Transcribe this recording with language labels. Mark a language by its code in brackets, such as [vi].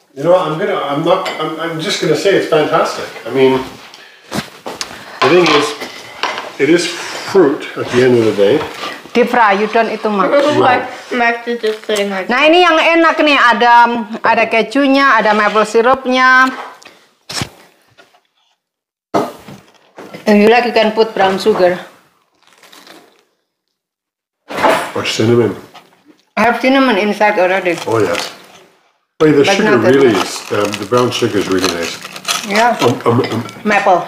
[en] You know what, I'm just gonna say it's fantastic. I mean, the thing is, it is fruit at the end of the day. Deep fry, you don't eat too much. Max is just saying like. [id] Nah ini yang enak nih, ada kejunya, ada maple syrupnya. [en] If you like, you can put brown sugar. Or cinnamon. I have cinnamon inside already. Oh yes. Wait, the sugar really is, the brown sugar is really nice. Yeah. Maple.